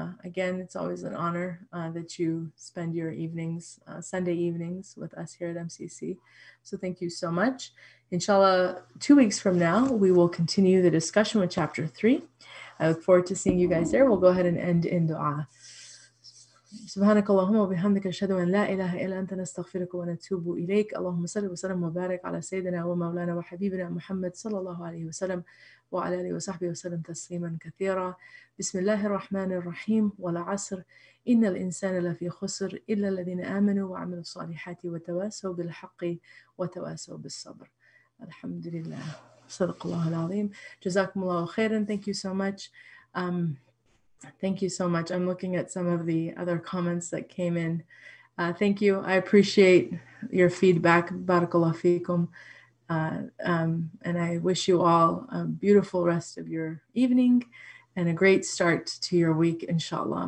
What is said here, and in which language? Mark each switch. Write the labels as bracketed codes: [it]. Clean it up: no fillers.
[en] Again, it's always an honor that you spend your evenings, Sunday evenings, with us here at MCC. So thank you so much. Inshallah, 2 weeks from now, we will continue the discussion with chapter 3. I look forward to seeing you guys there. We'll go ahead and end in dua. [ar] سبحانك اللهم وبحمدك اشهد ان لا اله الا انت نستغفرك ونتوب اليك اللهم صل وسلم وبارك على سيدنا ومولانا وحبيبنا محمد صلى الله عليه وسلم وعلى اله وصحبه وسلم تسليما كثيرا بسم الله الرحمن الرحيم والعصر ان الانسان لفي خسر الا الذين امنوا وعملوا الصالحات وتواسوا بالحق وتواسوا بالصبر الحمد لله صدق الله العظيم جزاكم الله خيرا [en] thank you so much Thank you so much. I'm looking at some of the other comments that came in. Thank you. I appreciate your feedback. Barakallahu feekum. And I wish you all a beautiful rest of your evening and a great start to your week, inshallah.